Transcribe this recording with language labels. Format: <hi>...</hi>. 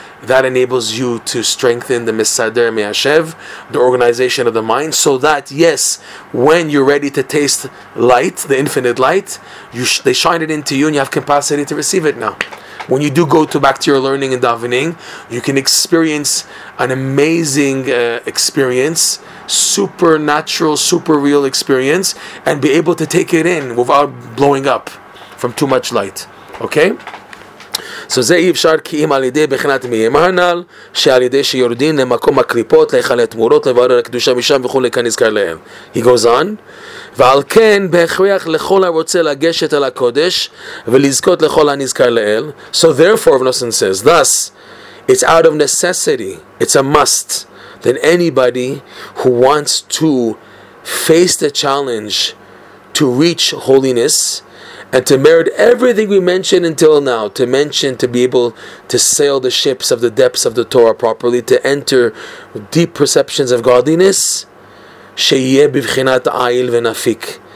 <en>That enables you to strengthen the Misader Me'ashev, the organization of the mind, so that, yes, when you're ready to taste light, the infinite light, they shine it into you and you have capacity to receive it now. When you do go back to your learning and davening, you can experience an amazing experience, supernatural, super real experience, and be able to take it in without blowing up from too much light. Okay?</en> <he>So זה יאפשר כי אם על ידי בחינת מיימהנל שעל ידי שיורדין למקום הקליפות להיכל התמורות לברר הקדושה משם וכולי כנזכר להם.</he> <en>He goes on.</en> <he>ועל כן בהכריח לכל הרוצה לגשת אל הקודש ולזכות לכל הנזכר לאל.</he> <en>So therefore, Vnosen says, thus, it's out of necessity, it's a must, that anybody who wants to face the challenge to reach holiness and to merit everything we mentioned until now, to be able to sail the ships of the depths of the Torah properly, to enter deep perceptions of godliness,</en> <he>שיהיה בבחינת עיל ונפיק.</he>